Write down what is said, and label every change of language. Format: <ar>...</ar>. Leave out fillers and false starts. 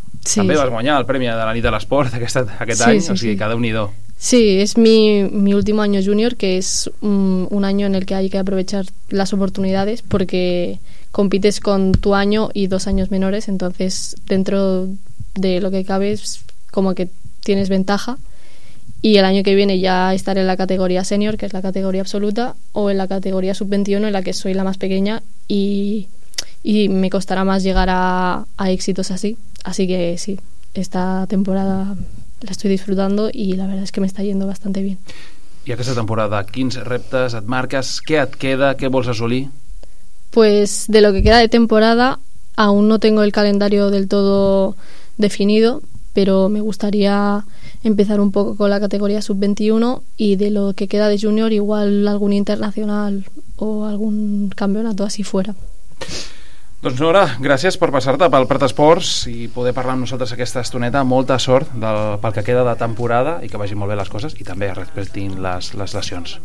<ca>Sí. També sí. Vas guanyar el Premi de la Nit de l'Esport aquest sí, any, sí, o sigui, sí. Que déu-n'hi-do.</ca> <es>Sí, es mi último año junior, que es un año en el que hay que aprovechar las oportunidades porque compites con tu año y dos años menores, entonces dentro de lo que cabe es como que tienes ventaja, y el año que viene ya estaré en la categoría senior, que es la categoría absoluta, o en la categoría sub-21, en la que soy la más pequeña, y me costará más llegar a éxitos así. Así que sí, esta temporada la estoy disfrutando y la verdad es que me está yendo bastante bien.</es> <ca>I aquesta temporada, quins reptes et marques? Què et queda? Què vols assolir?</ca> <es>Pues de lo que queda de temporada aún no tengo el calendario del todo definido, pero me gustaría empezar un poco con la categoría sub-21, y de lo que queda de junior igual algún internacional o algún campeonato así fuera.</es> <ca>Doncs Nora, gràcies per passar-te pel Prat Esports i poder parlar amb nosaltres aquesta estoneta. Molta sort pel que queda de temporada, i que vagin molt bé les coses, i també respectin les lesions.</ca>